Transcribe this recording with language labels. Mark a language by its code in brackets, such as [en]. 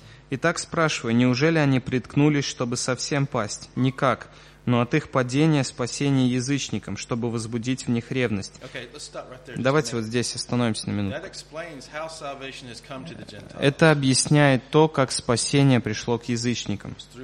[ru] Итак, спрашиваю, неужели они приткнулись, чтобы совсем пасть? Никак. Но от их падения спасение язычникам, чтобы возбудить в них ревность. [en] Okay, right. [ru] Давайте вот здесь остановимся на минуту. [en] That explains how salvation has come to the Gentiles. [ru] Это объясняет то, как спасение пришло к язычникам.